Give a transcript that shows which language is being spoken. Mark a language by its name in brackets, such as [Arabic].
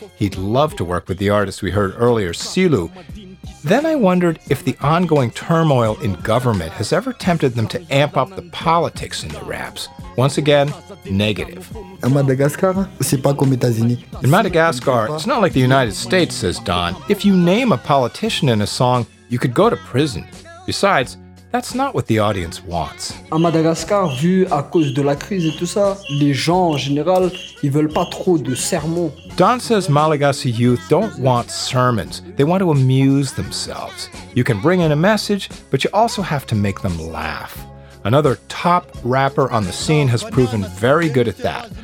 [English] He'd love to work with the artist we heard earlier, Silu. Then I wondered if the ongoing turmoil in government has ever tempted them to amp up the politics in the raps. Once again, negative. In Madagascar, it's not like the United States, says Don. If you name a politician in a song, you could go to prison. Besides, that's not what the audience wants. In Madagascar, [French] vu à cause de la crise et tout ça, les gens en général, ils veulent pas trop de sermons. [English] Don says Malagasy youth don't want sermons. They want to amuse themselves. You can bring in a message, but you also have to make them laugh. Another top rapper on the scene has proven very good at that.